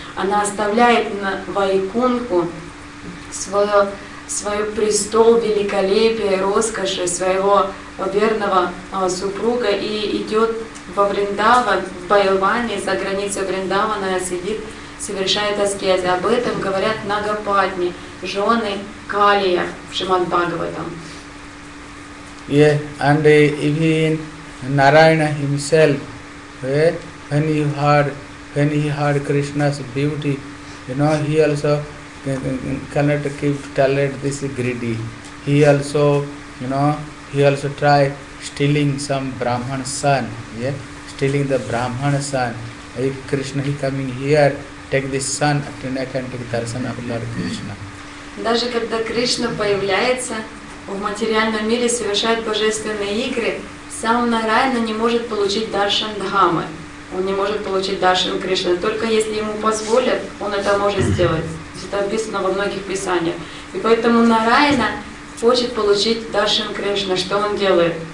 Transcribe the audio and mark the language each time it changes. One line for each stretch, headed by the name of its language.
Russian: Она оставляет на Вайкунху свой престол великолепия и роскоши своего верного супруга и идет во Вриндаван, в Байлване, за границей Вриндавана, она сидит, совершает аскезы. Об этом говорят Нагападни, жены Калия в Шримад-Бхагаватам.
English: Yeah, and even Narayana himself, when he heard Krishna's beauty, you know, he also cannot keep talent this greedy. He also try stealing some Brahman's son. Yeah? Stealing the Brahman's son. If Krishna is coming here, take this son, then I can take darshan of Lord Krishna.
Russian: Даже когда Кришна появляется в материальном мире, совершает божественные игры, сам Нарайана не может получить даршан дхамы. Он не может получить даршан Кришны. Только если ему позволят, он это может сделать. Это описано во многих писаниях. И поэтому Нарайана хочет получить даршан Кришны. Что он делает?